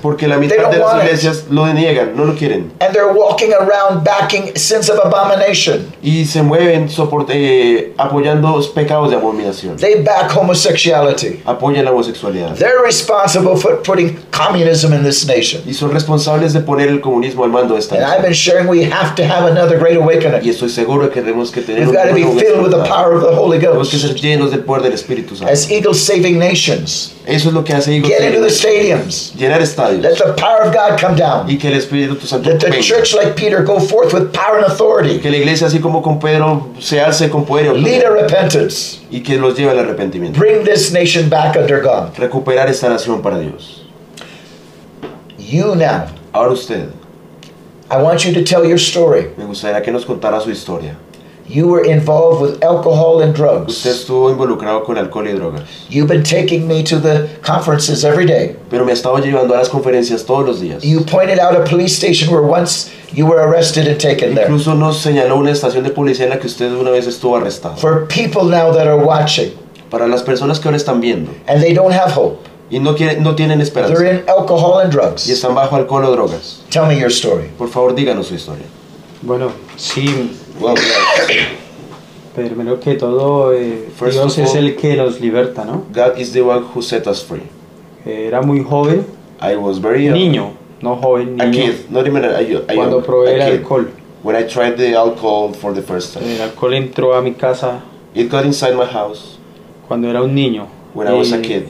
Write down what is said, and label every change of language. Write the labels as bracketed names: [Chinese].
[Spanish] Porque la mitad de las iglesias lo deniegan, no lo quieren. [English] And they're walking around backing sins of abomination. [Spanish] Y se mueven apoyando pecados de abominación. [English] They back homosexuality. [Spanish] Apoyan la homosexualidad. [English] They're responsible for putting communism in this nation. [Spanish] Y son responsables de poner el comunismo al mando de esta nación. [English] And I've been sharing we have to have another great awakening. [Spanish] Y estoy seguro que tenemos que tener. [English] We've got to be filled with the power of the Holy Ghost. [Spanish] Tenemos que ser llenos del poder del Espíritu Santo. [English] As Eagle Saving Nations. [Spanish] Eso es lo que hace Eagle. [English] Get into the stadiums. [Spanish] Llenar estadios. [English] Let the power of God come down. [Spanish] Y que el Espíritu Santo venga. [English] Let the church like Peter go forth with power and authority. [Spanish] Que la iglesia así como con Pedro se alce con poder. [English] Lead a repentance. [Spanish] Y que los lleve al arrepentimiento. [English] Bring this nation back under God. [Spanish] Recuperar esta nación para Dios. [English] You now. [Spanish] Ahora usted. [English] I want you to tell your story. [Spanish] Me gustaría que nos contara su historia. [English] You were involved with alcohol and drugs. [Spanish] Usted estuvo involucrado con alcohol y drogas. [English] You've been taking me to the conferences every day. [Spanish] Pero me estaba llevando a las conferencias todos los días. [English] You pointed out a police station where once you were arrested and taken there. [Spanish] Incluso nos señaló una estación de policía en la que usted una vez estuvo arrestado. [English] For people now that are watching. [Spanish] Para las personas que ahora están viendo. [English] And they don't have hope. [Spanish] Y no tienen esperanza. [English] They're in alcohol and drugs. [Spanish] Y están bajo alcohol o drogas. [English] Tell me your story. [Spanish] Por favor, díganos su historia. Bueno, sí. [English] Well, [Spanish] primero que todo, Dios es el que nos liberta, ¿no? [English] God is the one who set us free. [Spanish] Era muy joven. [English] I was very young. [Spanish] Niño, no joven, niño. [English] A kid, not even a [Spanish] young. Cuando probé el alcohol. [English] When I tried the alcohol for the first time. [Spanish] El alcohol entró a mi casa. [English] It got inside my house. [Spanish] Cuando era un niño. [English] When I was a kid.